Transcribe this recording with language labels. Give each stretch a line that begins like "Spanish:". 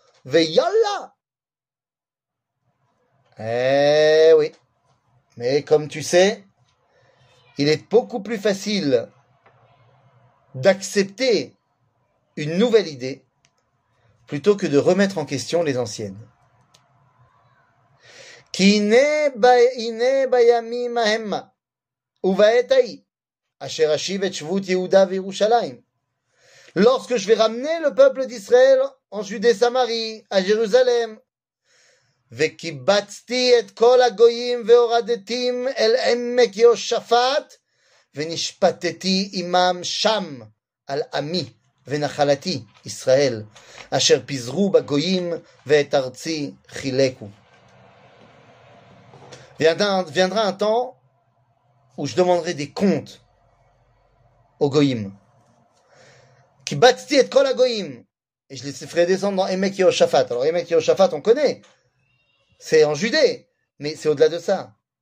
French: Ve'yalla !» Eh oui. Mais comme tu sais, il est beaucoup plus facile d'accepter une nouvelle idée plutôt que de remettre en question les anciennes.
Hebrew: כי הנה בימים ההם ובעת ההיא אשר אשיב את שבות יהודה וירושלים.
French: Lorsque je vais ramener le peuple d'Israël en Judée Samarie, à Jérusalem,
Hebrew: וקיבצתי את כל הגויים והורדתים אל עמק יהושפט, ונשפטתי עמם שם על עמי ונחלתי ישראל, אשר פיזרו בגויים ואת ארצי חילקו.
French: Viendra un temps où je demanderai des comptes aux goyim. Qui batti et kol goyim. Et je les ferai descendre dans Emek Yehoshaphat. Alors Emek Yehoshaphat, on connaît. C'est en Judée. Mais c'est au-delà de ça.